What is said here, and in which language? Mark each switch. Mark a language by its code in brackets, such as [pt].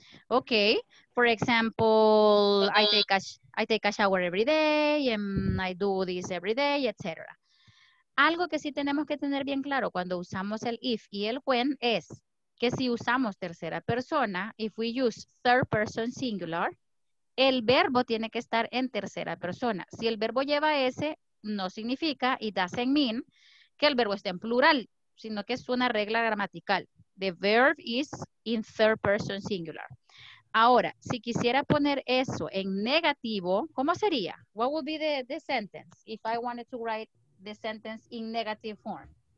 [en] Okay, for example, I take a shower every day and I do this every day, etc. [es] Algo que sí tenemos que tener bien claro cuando usamos el if y el when es que si usamos tercera persona, [en] if we use third person singular, [es] el verbo tiene que estar en tercera persona. Si el verbo lleva S, no significa, [en] it doesn't mean, [es] que el verbo esté en plural, sino que es una regla gramatical. [en] The verb is in third person singular. [es] Ahora, si quisiera poner eso en negativo, ¿cómo sería? [en] What would be the sentence if I wanted to write the sentence in negative form?